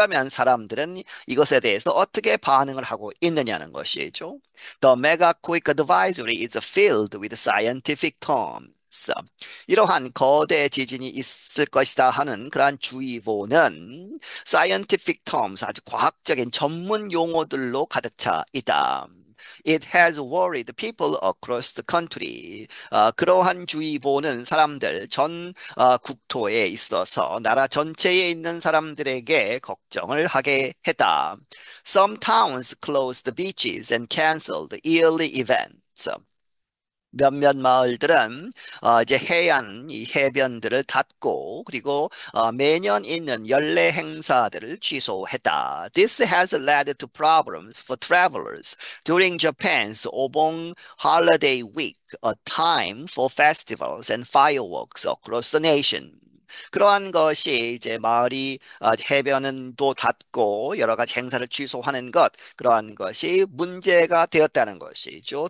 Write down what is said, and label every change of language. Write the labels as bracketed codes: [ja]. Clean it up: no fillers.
[ko] 그러면 사람들은 이것에 대해서 어떻게 반응을 하고 있느냐는 것이죠. [en] The mega quake advisory is filled with scientific terms. [ko] 이러한 거대 지진이 있을 것이다 하는 그러한 주의보는 [en] scientific terms, [ko] 아주 과학적인 전문 용어들로 가득 차 있다. [en] It has worried people across the country. [ko] 그러한 주의보는 사람들 전 국토에 있어서 나라 전체에 있는 사람들에게 걱정을 하게 했다. [en] Some towns closed the beaches and canceled yearly events. [ko] 몇몇 마을들은 이제 해안, 이 해변들을 닫고, 그리고 매년 있는 연례 행사들을 취소했다. [en] This has led to problems for travelers during Japan's Obon Holiday Week, a time for festivals and fireworks across the nation. [ko] 그러한 것이 이제 마을이 해변은 또 닫고 여러 가지 행사를 취소하는 것, 그러한 것이 문제가 되었다는 것이죠.